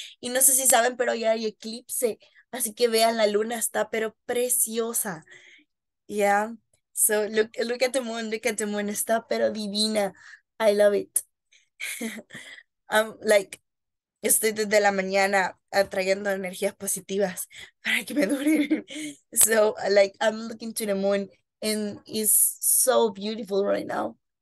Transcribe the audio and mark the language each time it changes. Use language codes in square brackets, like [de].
[es] Y no sé si saben, pero ya hay eclipse. Así que vean, la luna está pero preciosa. [en] Yeah. So look at the moon, look at the moon. [es] Está pero divina. [en] I love it. [es] Like, estoy desde la mañana atrayendo energías positivas para que me dure. [en] So like I'm looking to the moon and it's so beautiful right now.